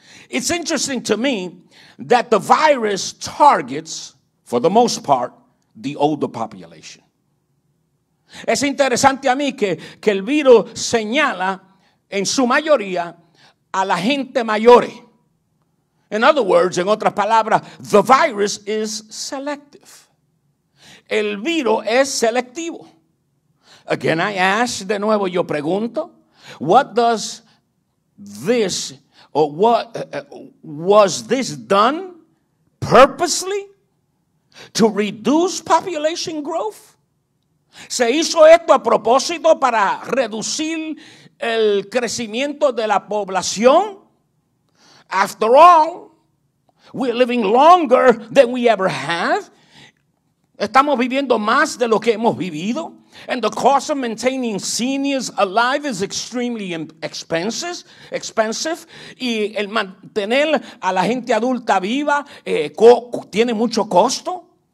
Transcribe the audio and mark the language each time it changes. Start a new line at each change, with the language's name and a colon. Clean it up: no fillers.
English: It's interesting to me that the virus targets, for the most part, the older population.
Spanish: Es interesante a mí que el virus señala, en su mayoría, a la gente mayor.
English: In other words,
Spanish: en otras palabras,
English: the virus is selective.
Spanish: El virus es selectivo.
English: Again, I ask,
Spanish: de nuevo yo pregunto,
English: what does this, or what was this done purposely to reduce population growth?
Spanish: ¿Se hizo esto a propósito para reducir el crecimiento de la población?
English: After all, we're living longer than we ever have.
Spanish: Estamos viviendo más de lo que hemos vivido.
English: And the cost of maintaining seniors alive is extremely expensive.
Spanish: Y el mantener a la gente adulta viva tiene mucho costo.